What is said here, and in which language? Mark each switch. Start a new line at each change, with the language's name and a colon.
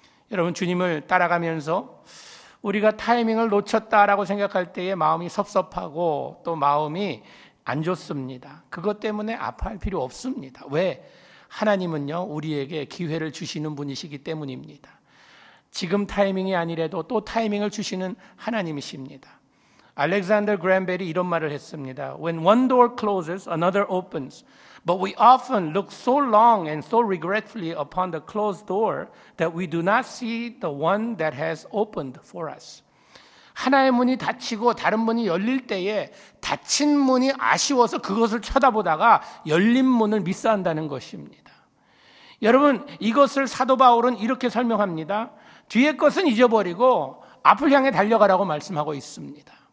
Korean: 여러분, 주님을 따라가면서 우리가 타이밍을 놓쳤다라고 생각할 때에 마음이 섭섭하고 또 마음이 안 좋습니다. 그것 때문에 아파할 필요 없습니다. 왜? 하나님은요, 우리에게 기회를 주시는 분이시기 때문입니다. 지금 타이밍이 아니라도 또 타이밍을 주시는 하나님이십니다. 알렉산더 그램벨이 이런 말을 했습니다.
English: When one door closes, another opens. But we often look so long and so regretfully upon the closed door that we do not see the one that has opened for us.
Korean: 하나의 문이 닫히고 다른 문이 열릴 때에 닫힌 문이 아쉬워서 그것을 쳐다보다가 열린 문을 미스한다는 것입니다. 여러분, 이것을 사도 바울은 이렇게 설명합니다. 뒤에 것은 잊어버리고 앞을 향해 달려가라고 말씀하고 있습니다.